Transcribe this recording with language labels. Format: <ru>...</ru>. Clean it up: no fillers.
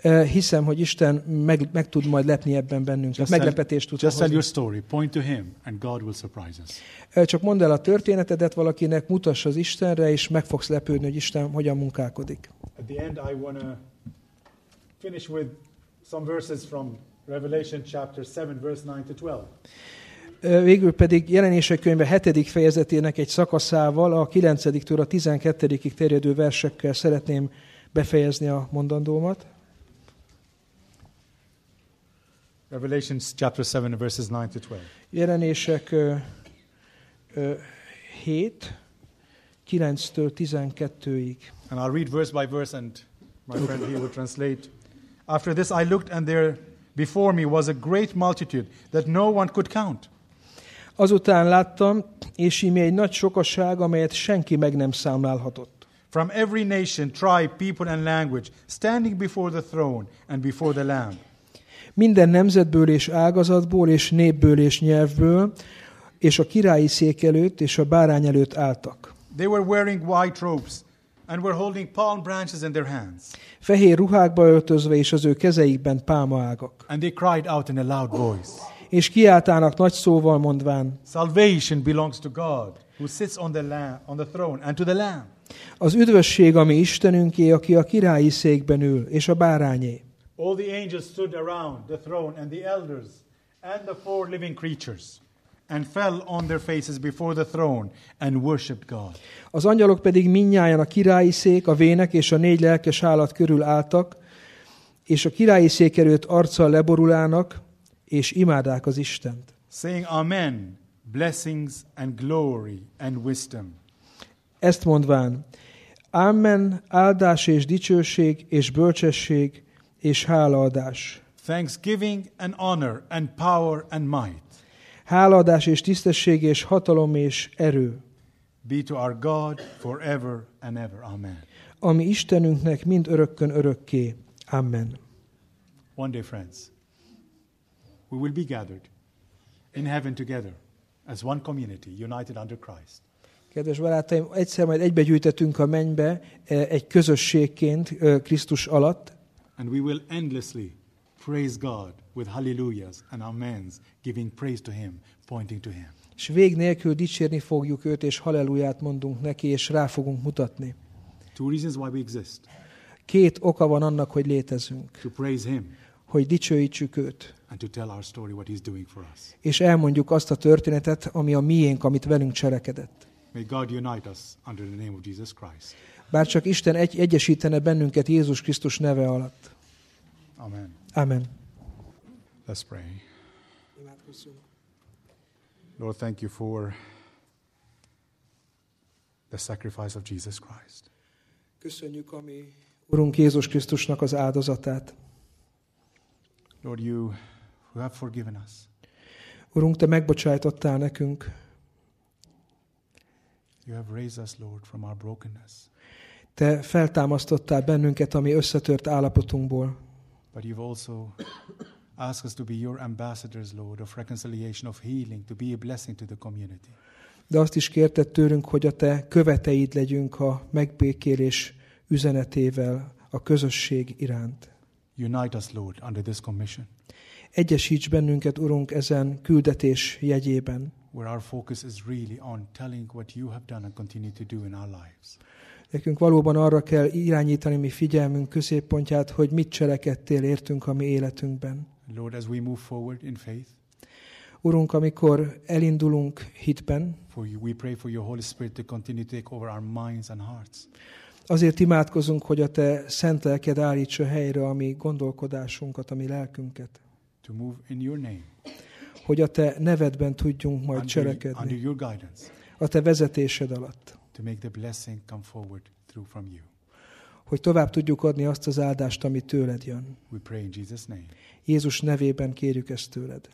<hu>Hiszem, hogy Isten meg tud majd lepni ebben bennünket.</hu> <en>Just</en> <hu>meglepetést tud hozni.</hu> <en>Tell your story, point to him, and God will surprise us.</en> <hu>Csak mondd el a történetedet valakinek, mutass az Istenre, és meg fogsz lepődni, hogy Isten hogyan munkálkodik.</hu> <en>At the end I want to finish with some verses from Revelation chapter 7 verse 9 to 12.</en> <hu>Végül pedig Jelenések könyve 7. fejezetének egy szakaszával, a 9-től a 12-ig terjedő versekkel szeretném befejezni a mondandómat.</hu> <en>Revelation chapter 7 verses 9 to 12.</en> <hu>Jelenések 7 9-től 12-ig.</hu> <en>And I'll read verse by verse and my friend here will translate. After this I looked and there before me was a great multitude that no one could count.</en> <hu>Azután láttam, és íme egy nagy sokaság, amelyet senki meg nem számlálhatott.</hu> <en>From every nation, tribe, people and language standing before the throne and before the Lamb.</en> <hu>Minden nemzetből és ágazatból és népből és nyelvből és a királyi szék előtt és a bárány előtt álltak.</hu> <en>They were wearing white robes and were holding palm branches in their hands.</en> <hu>Fehér ruhákba öltözve és az ő kezeikben pálmaágak.</hu> <en>And they cried out in a loud voice.</en> <hu>És kiáltának nagy szóval mondván.</hu> <en>Salvation belongs to God, who sits on the throne and to the Lamb.</en> <hu>Az üdvösség a mi Istenünké, aki a királyi székben ül és a bárányé.</hu> <en>All the angels stood around the throne and the elders and the four living creatures and fell on their faces before the throne and worshiped God.</en> <hu>Az angyalok pedig mindnyájan a királyi szék, a vének és a négy lelkes állat körül álltak, és a királyi szék előtt arccal leborulának, és imádák az Istent.</hu> <en>Saying amen, blessings and glory and wisdom.</en> <hu>Ezt mondván, amen, áldás és dicsőség és bölcsesség és hálaadás.</hu> <en>Thanksgiving and honor and power and might.</en> <hu>Hálaadás és tisztesség és hatalom és erő.</hu> <en>Be to our God forever and ever. Amen.</en> <hu>Ami Istenünknek mind örökkön örökké. Amen.</hu> <en>One day, friends, we will be gathered in heaven together as one community, united under Christ.</en> <hu>Kedves barátaim, egyszer majd egybegyűjtetünk a mennybe egy közösségként Krisztus alatt.</hu> <en>And we will endlessly praise God with hallelujahs and amens, giving praise to him, pointing to him.</en> <hu>És vég nélkül dicsérni fogjuk őt, és hallelujahot mondunk neki, és rá fogunk mutatni.</hu> <en>Two reasons why we exist.</en> <hu>Két oka van annak, hogy létezünk.</hu> <en>To praise him.</en> <hu>Hogy dicsőítsük őt.</hu> <en>And to tell our story, what he's doing for us.</en> <hu>És elmondjuk azt a történetet, ami a miénk, amit velünk cselekedett.</hu> <en>May God unite us under the name of Jesus Christ.</en> <hu>Bár csak Isten egyesítene bennünket Jézus Krisztus neve alatt.</hu> <en>Amen.</en> <hu>Amen.</hu> <en>Let's pray. Lord, thank you for the sacrifice of Jesus Christ.</en> <hu>Köszönjük a mi Urunk Jézus Krisztusnak az áldozatát.</hu> <en>Lord, you have forgiven us.</en> <hu>Urunk, te megbocsájtottál nekünk.</hu> <en>You have raised us, Lord, from our brokenness.</en> <hu>Te feltámasztottál bennünket a mi összetört állapotunkból.</hu> <en>But you've also asked us to be your ambassadors, Lord, of reconciliation, of healing, to be a blessing to the community.</en> <hu>De azt is kérted tőlünk, hogy a te követeid legyünk a megbékélés üzenetével a közösség iránt.</hu> <en>Unite us, Lord, under this commission.</en> <hu>Egyesíts bennünket, Urunk, ezen küldetés jegyében.</hu> <en>where our focus is really on telling what you have done and continue to do in our lives.</en> <hu>Nekünk valóban arra kell irányítani mi figyelmünk középpontját, hogy mit cselekedtél értünk a mi életünkben.</hu> <en>Lord, as we move forward in faith,</en> <hu>Urunk, amikor elindulunk hitben,</hu> <en>for you, we pray for your Holy Spirit to continue to take over our minds and hearts.</en> <hu>Azért imádkozunk, hogy a te szent lelked állítsa helyre a mi gondolkodásunkat, a mi lelkünket.</hu> <en>To move in your name.</en> <hu>Hogy a te nevedben tudjunk majd cselekedni.</hu> <en>Under your guidance.</en> <hu>A te vezetésed alatt.</hu> <en>To make the blessing come forward through from you.</en> <hu>Hogy tovább tudjuk adni azt az áldást, ami tőled jön.</hu> <en>We pray in Jesus' name.</en> <hu>Jézus nevében kérjük ezt tőled.</hu>